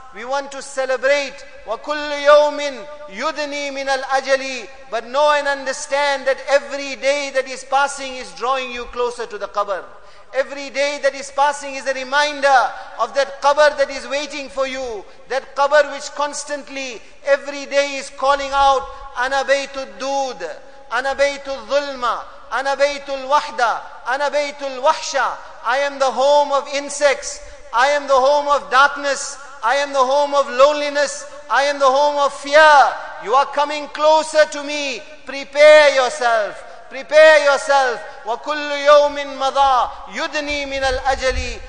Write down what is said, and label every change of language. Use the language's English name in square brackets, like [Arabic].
[English] We want to celebrate. [Arabic] وَكُلُّ يَوْمٍ يُدْنِي مِنَ الْأَجَلِ. [English] But know and understand that every day that is passing is drawing you closer to the qabr. Every day that is passing is a reminder of that qabr that is waiting for you. That qabr which constantly every day is calling out, [Arabic] أَنَا بَيْتُ الدُّودِ أَنَا بَيْتُ الظُّلْمَ أَنَا بَيْتُ الْوَحْدَ أَنَا بَيْتُ الْوَحْشَ. [English] I am the home of insects. I am the home of darkness. I am the home of loneliness. I am the home of fear. You are coming closer to me. Prepare yourself. Prepare yourself. [Arabic] وَكُلُّ يَوْمٍ مَضَى يُدْنِي مِنَ الْأَجَلِ.